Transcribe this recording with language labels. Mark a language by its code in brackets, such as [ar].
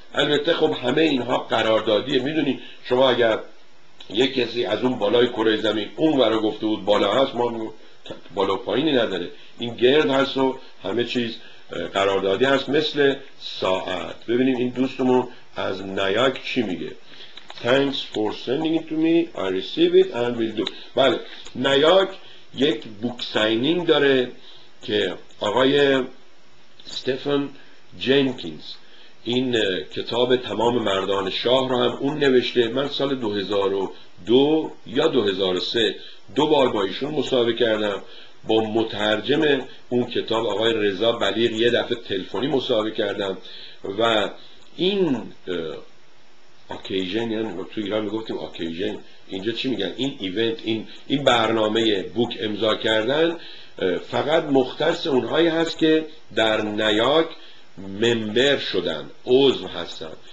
[fa] البته خب همه اینها قراردادیه، میدونی شما اگر یک کسی از اون بالای کره زمین اون ورا گفته بود بالا هست، ما بالا پایینی نداره، این گرد هست و همه چیز قراردادی هست مثل ساعت. ببینیم این دوستمون از نیاک چی میگه. [en] Thanks for sending it to me, I receive it and will do. [fa] بله، نیاک یک بوک ساینینگ داره که آقای استفن جنکینز این کتاب تمام مردان شاه رو هم اون نوشته. من سال 2002 یا 2003 دو بار با ایشون مصاحبه کردم، با مترجم اون کتاب آقای رضا بلیغ یه دفعه تلفنی مصاحبه کردم و این اوکیژن، یعنی تو ایران میگفتیم اوکیژن، اینجا چی میگن، این ایونت، این برنامه بوک امضا کردن فقط مختص اونهایی هست که در نیاک ممبر شدن، عضو هستن.